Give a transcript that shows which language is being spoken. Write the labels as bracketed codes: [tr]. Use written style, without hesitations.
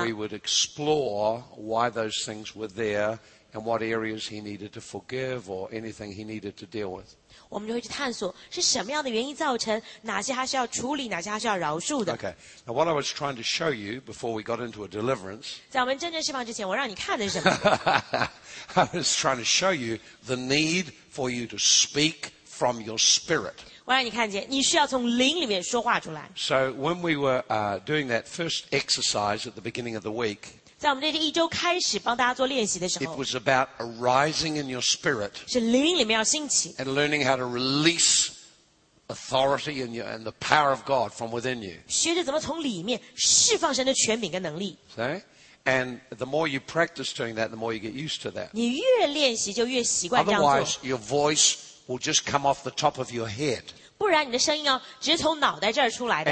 [en] we would explore why those things were there and what areas he needed to forgive or anything he needed to deal with. Okay. Now what I was trying to show you before we got into a deliverance. [zh] 在我们真正释放之前，我让你看的是什么？ [en] I was trying to show you the need for you to speak from your spirit. [zh] 我让你看见，你需要从灵里面说话出来。 [en] So when we were doing that first exercise at the beginning of the week. [zh] 在我们这一周开始帮大家做练习的时候, [en] it was about arising in your spirit. [zh] 是灵里面要兴起, [en] and learning how to release authority in you and the power of God from within you. [zh] 学着怎么从里面释放神的权柄跟能力。 [en] See? And the more you practice doing that, the more you get used to that. [zh] 你越练习就越习惯这样做。 [en] Otherwise, your voice will just come off the top of your head. [zh] 不然你的声音哦,直接从脑袋这儿出来的。